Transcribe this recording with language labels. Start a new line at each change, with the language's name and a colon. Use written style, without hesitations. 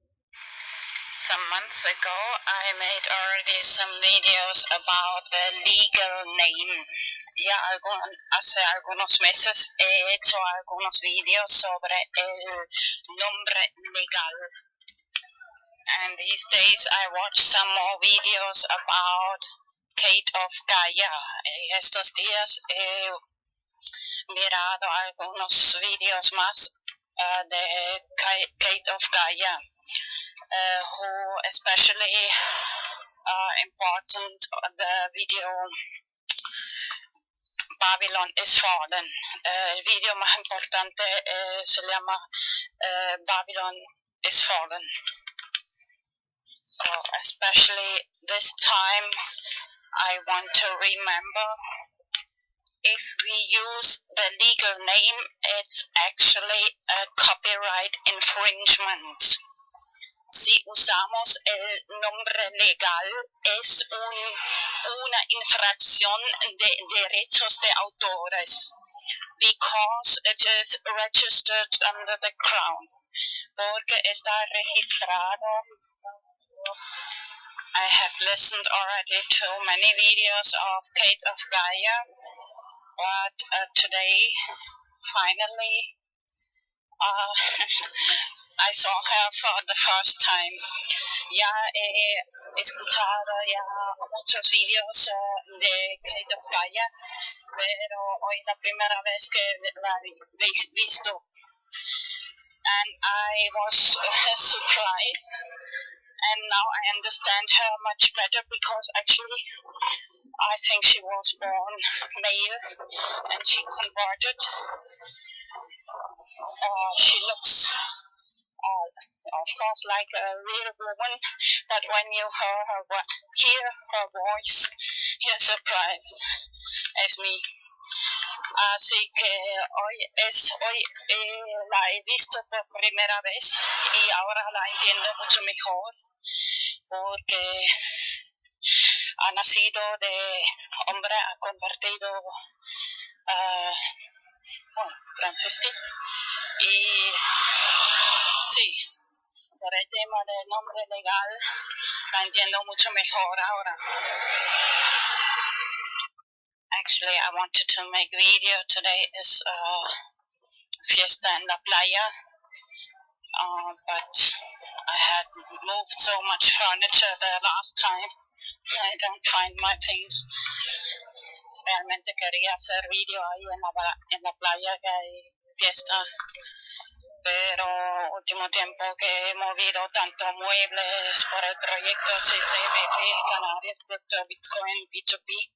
English: some months ago, I made already some videos about the legal name.
Spanish: Ya hace algunos meses he hecho algunos videos sobre el nombre legal.
English: And these days I watch some more videos about Kate of Gaia.
Spanish: Estos días he mirado algunos videos más de Kate of Gaia,
English: who especially important the video
Spanish: Babylon is Fallen. El video más importante se llama Babylon is Fallen.
English: So especially this time, I want to remember if we use the legal name, it's actually a copyright infringement.
Spanish: Si usamos el nombre legal, es una infracción de derechos de autores,
English: because it is registered under the crown,
Spanish: porque está registrado.
English: I have listened already to many videos of Kate of Gaia, but today, finally, I saw her for the first time.
Spanish: Ya he escuchado ya muchos videos de Kate of Gaia, pero hoy la primera vez que la he visto.
English: And I was surprised. And now I understand her much better, because actually I think she was born male and she converted. She looks, of course, like a real woman, but when you hear her voice, you're surprised as me.
Spanish: Así que hoy la he visto por primera vez y ahora la entiendo mucho mejor, porque ha nacido de hombre, ha convertido transvestir, y sí, por el tema del nombre legal la entiendo mucho mejor ahora.
English: Actually, I wanted to make video. Today is
Spanish: fiesta en la playa,
English: but I had moved so much furniture the last time. I don't find my things.
Spanish: Realmente quería hacer video ahí en la playa, que hay fiesta. Pero último tiempo que he movido tanto muebles por el proyecto CCBP Canarias Crypto Bitcoin P2P.